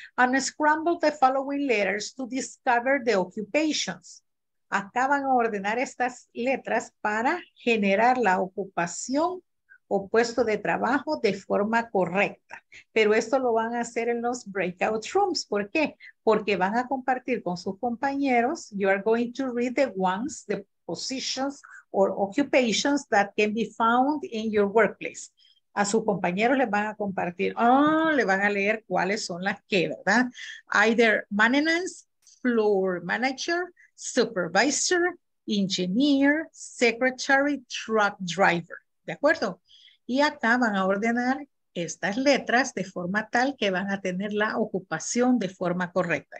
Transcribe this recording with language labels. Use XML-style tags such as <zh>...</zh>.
<en>Unscramble the following letters to discover the occupations.</en> <es>Acá van a ordenar estas letras para generar la ocupación o puesto de trabajo de forma correcta. Pero esto lo van a hacer en los breakout rooms. ¿Por qué? Porque van a compartir con sus compañeros.</es> <en>You are going to read the ones, the positions or occupations that can be found in your workplace.</en> <es>A sus compañeros les van a compartir. Le van a leer cuáles son las que, ¿verdad?</es> <en>Either manenance, floor manager, supervisor, engineer, secretary, truck driver.</en> <es>¿De acuerdo? Y acá van a ordenar estas letras de forma tal que van a tener la ocupación de forma correcta.</es>